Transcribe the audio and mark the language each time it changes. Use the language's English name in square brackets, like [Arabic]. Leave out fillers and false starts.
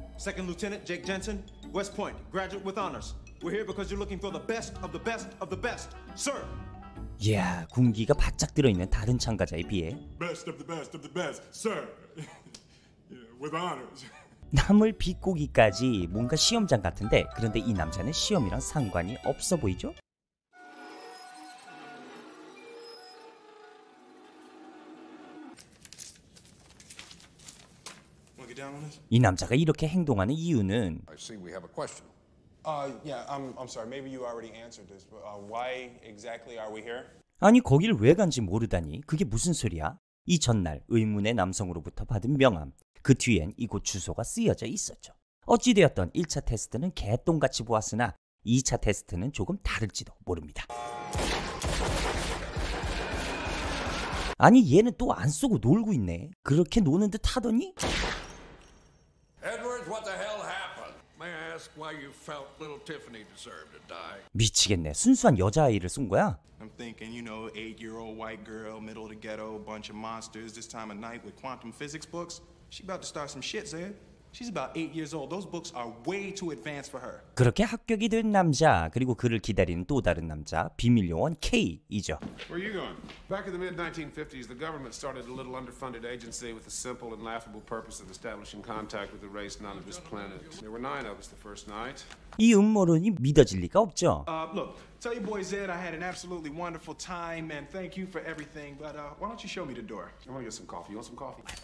[English] Second Lieutenant Jake Jensen, West Point, graduate with honors. We're here because you're looking for the best of the best of the best, sir. [Korean] 이야, 군기가 바짝 들어있는 다른 참가자에 비해 [English] Best of the best of the best, sir. With honors. [Korean] 남을 비꼬기까지 뭔가 시험장 같은데 그런데 이 남자는 시험이랑 상관이 없어 보이죠? 이 남자가 이렇게 행동하는 이유는 [English] I see we have a question. I'm sorry. Maybe you already answered this, but why exactly are we here? [Korean] 아니 거길 왜 간지 모르다니 그게 무슨 소리야? 이 전날 의문의 남성으로부터 받은 명함 그 뒤엔 이곳 주소가 쓰여져 있었죠. 어찌되었던 1차 테스트는 개똥같이 보았으나 2차 테스트는 조금 다를지도 모릅니다. 아니 얘는 또 안 쏘고 놀고 있네. 그렇게 노는 듯 하더니 [English] Edward, what the hell happened? May I ask why you felt little Tiffany deserved to die? [Korean] 미치겠네. 순수한 여자아이를 쏜 거야? [English] I'm thinking, you know, eight-year-old white girl, middle of the ghetto, bunch of monsters, this time of night with quantum physics books. She about to start some shit, Zed. She's about eight years old. Those books are way too advanced for her. [Korean] 그렇게 합격이 된 남자, 그리고 그를 기다리는 또 다른 남자, 비밀요원 K이죠. [English] Where are you going? Back in the mid-1950s, the government started a little underfunded agency with the simple and laughable purpose of establishing contact with the race none of this planet. There were nine of us the first night. [Korean] 이 음모론이 믿어질 리가 없죠. [English] Look, tell your boy Zed I had an absolutely wonderful time and thank you for everything, but why don't you show me the door? I want to get some coffee. You want some coffee?